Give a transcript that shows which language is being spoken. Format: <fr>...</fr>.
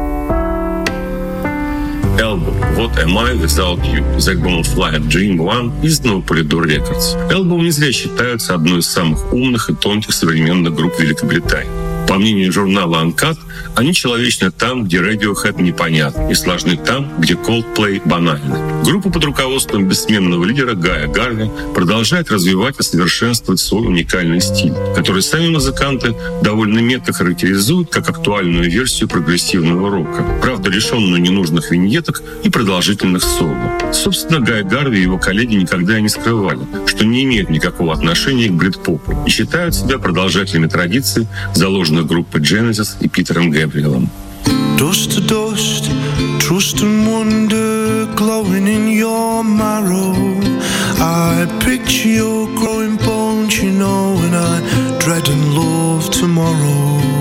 <ru>Album What Am I Without You из альбома Flying Dream One, изданного Polydor Records. Album не зря считается одной из самых умных и тонких современных групп Великобритании. По мнению журнала Uncut, они человечны там, где Radiohead непонятны, и сложны там, где Coldplay банальны. Группа под руководством бессменного лидера Гая Гарви продолжает развивать и совершенствовать свой уникальный стиль, который сами музыканты довольно метко характеризуют как актуальную версию прогрессивного рока, правда, лишенную ненужных виньеток и продолжительных соло. Собственно, Гая Гарви и его коллеги никогда не скрывали, что не имеют никакого отношения к брит-попу и считают себя продолжателями традиции, заложенных группой Genesis и Питером Гэбриэлом.</ru> <en>Dust to dust, trust and wonder, glowing in your marrow. I picture your growing bones, you know, and I dread and love tomorrow.</en>